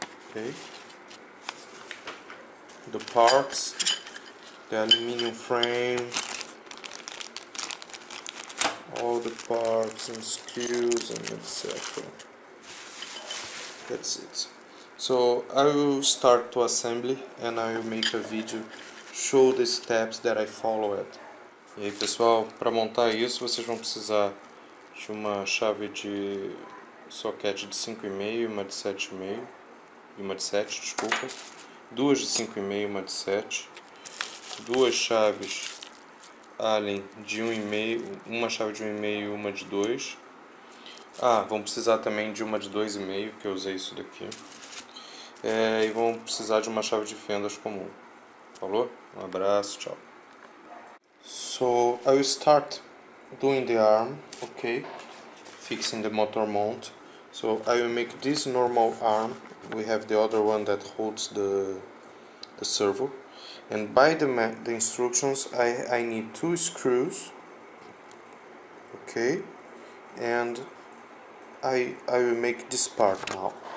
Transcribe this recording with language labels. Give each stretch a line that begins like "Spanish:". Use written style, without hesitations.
English: Okay, the parts, the aluminium frame, all the parts and screws and etc. That's it. So I will start to assembly and I will make a video show the steps that I followed.
Portuguese: E aí pessoal, para montar isso vocês vão precisar de uma chave de soquete de 5,5, uma de 7,5 e uma de 7, desculpa. Duas de 5,5, uma de 7. Duas chaves Allen de 1,5, uma chave de 1,5 e uma de 2. Ah, vão precisar também de uma de 2,5, que eu usei isso daqui. É, e vão precisar de uma chave de fendas comum. Falou? Um abraço, tchau.
English: So, I will start doing the arm, okay? Fixing the motor mount. So, I will make this normal arm. We have the other one that holds the servo. And by the instructions, I need two screws, okay, and I will make this part now.